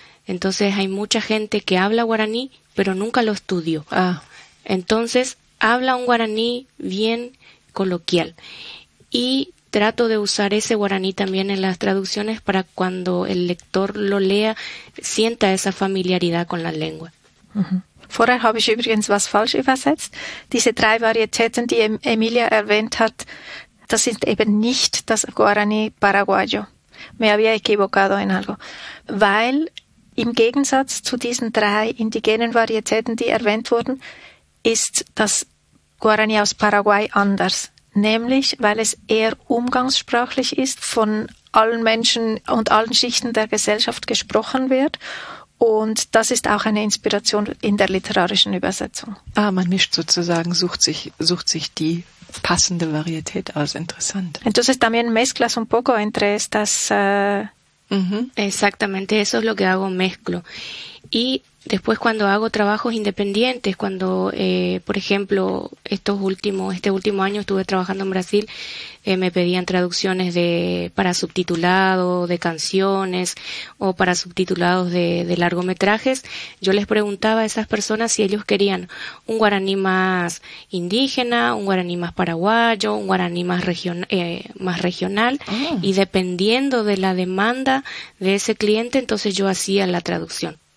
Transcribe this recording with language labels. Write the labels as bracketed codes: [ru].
[es] Entonces hay mucha gente que habla guaraní, pero nunca lo estudió. Entonces habla un guaraní bien coloquial. Y trato de usar ese guaraní también en las traducciones para cuando el lector lo lea, sienta esa familiaridad con la lengua. [de] Vorher habe ich übrigens was falsch übersetzt. Diese 3 Varietäten, die Emilia erwähnt hat, das sind eben nicht das Guaraní Paraguayo. [es] Me había equivocado en algo. [de] Weil im Gegensatz zu diesen 3 indigenen Varietäten, die erwähnt wurden, ist das Guarani aus Paraguay anders. Nämlich, weil es eher umgangssprachlich ist, von allen Menschen und allen Schichten der Gesellschaft gesprochen wird. Und das ist auch eine Inspiration in der literarischen Übersetzung. Ah, man mischt sozusagen, sucht sich die passende Varietät aus. Interessant. [es] Entonces también mezclas un poco entre estas... Exactamente, eso es lo que hago, mezclo. Y después cuando hago trabajos independientes, cuando, por ejemplo, este último año estuve trabajando en Brasil, me pedían traducciones para subtitulado de canciones o para subtitulados de largometrajes, yo les preguntaba a esas personas si ellos querían un guaraní más indígena, un guaraní más paraguayo, un guaraní más regional, y dependiendo de la demanda de ese cliente, entonces yo hacía la traducción.